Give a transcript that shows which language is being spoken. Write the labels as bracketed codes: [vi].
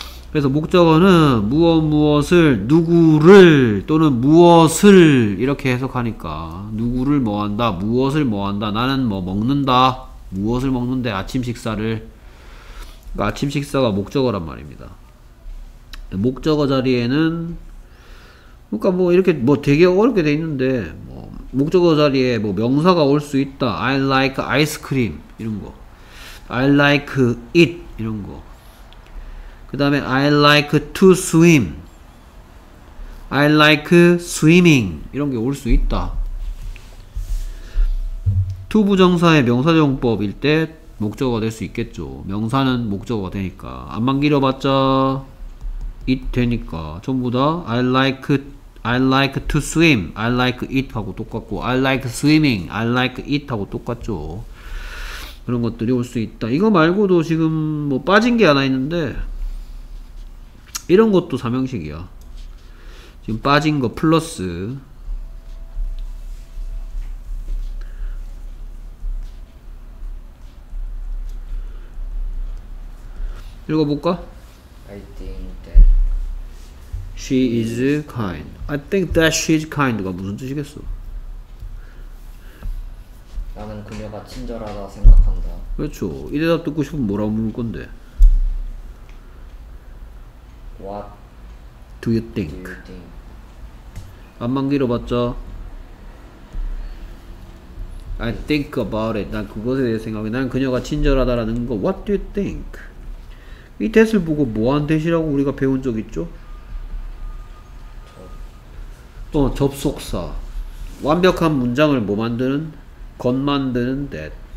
[ko] 그래서 목적어는 무엇, 무엇을, 누구를 또는 무엇을 이렇게 해석하니까 누구를 뭐한다, 무엇을 뭐한다, 나는 뭐 먹는다, 무엇을 먹는데 아침 식사를 그러니까 아침 식사가 목적어란 말입니다. 목적어 자리에는 그러니까 뭐 이렇게 뭐 되게 어렵게 돼 있는데 뭐 목적어 자리에 뭐 명사가 올 수 있다. [en] I like ice cream [ko] 이런 거. [en] I like it 이런 거. [ko] 그다음에 [en] I like to swim. I like swimming [ko] 이런 게 올 수 있다. to 부정사의 명사정법일 때 목적어가 될 수 있겠죠. 명사는 목적어가 되니까 안만 길어봤자 it 되니까 전부 다 [en] I like to swim. I like it [ko] 하고 똑같고 [en] I like swimming. I like it [ko] 하고 똑같죠. 그런 것들이 올 수 있다. 이거 말고도 지금 뭐 빠진 게 하나 있는데 이런 것도 3형식이야. 지금 빠진 거 플러스 읽어볼까? [en] I think that she is kind. I think that she is kind가 [ko] 무슨 뜻이겠어? 나는 그녀가 친절하다 생각한다. 그렇죠. 이 대답 듣고 싶으면 뭐라고 물을 건데? [en] What do you think? [ko] 안만 길어봤자 [en] I think about it. [ko] 난 그것에 대해 생각해. 난 그녀가 친절하다라는 거 [en] What do you think? [ko] 이 that을 보고 뭐한 that이라고 우리가 배운 적 있죠? 접속사 완벽한 문장을 뭐 만드는? 건 만드는 that.